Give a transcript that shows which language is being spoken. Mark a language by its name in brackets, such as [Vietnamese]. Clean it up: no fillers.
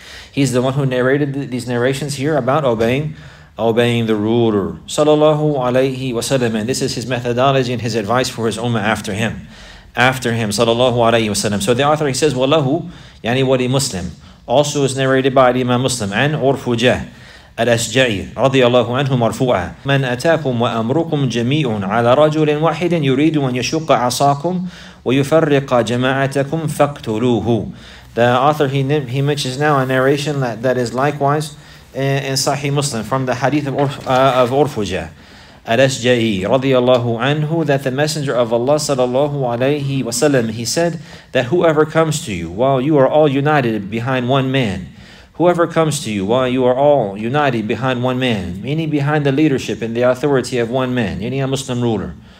[English] He's the one who narrated these narrations here about obeying the ruler sallallahu alayhi wa sallam. And this is his methodology and his advice for his ummah after him sallallahu alayhi wa sallam. So the author, he says, wallahu, yani wali Muslim, also is narrated by Imam Muslim and Urfujah, [Arabic] الأشجعي رضي الله عنه مرفوعة: من أتاكم وأمركم جميع على رجل واحد يريد أن يشق عصاكم ويفرق جماعتكم فاقتلوه. [English] The author, he mentions now a narration that is likewise in Sahih Muslim from the hadith of Urfuja al-Ashja'i رضي الله عنه, that the Messenger of Allah صلى الله عليه وسلم, he said that whoever comes to you while you are all united behind one man, whoever comes to you while you are all united behind one man, meaning behind the leadership and the authority of one man, meaning a Muslim ruler.